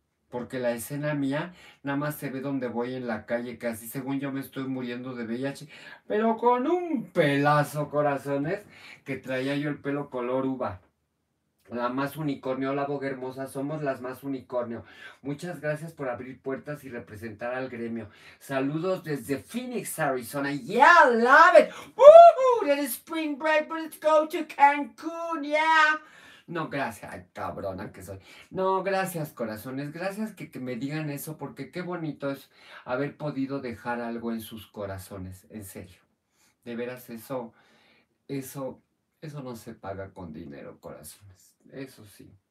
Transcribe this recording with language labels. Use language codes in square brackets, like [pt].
[es] Porque la escena mía nada más se ve donde voy en la calle, casi según yo me estoy muriendo de VIH, pero con un pelazo, corazones, que traía yo el pelo color uva. La más unicornio, la boga hermosa, somos las más unicornio. Muchas gracias por abrir puertas y representar al gremio. Saludos desde Phoenix, Arizona. [en] Yeah, love it. Woohoo, it is spring break, but let's go to Cancún, yeah. [es] No, gracias, ay, cabrona que soy. No, gracias, corazones, gracias que me digan eso, porque qué bonito es haber podido dejar algo en sus corazones, en serio. De veras, eso no se paga con dinero, corazones, eso sí.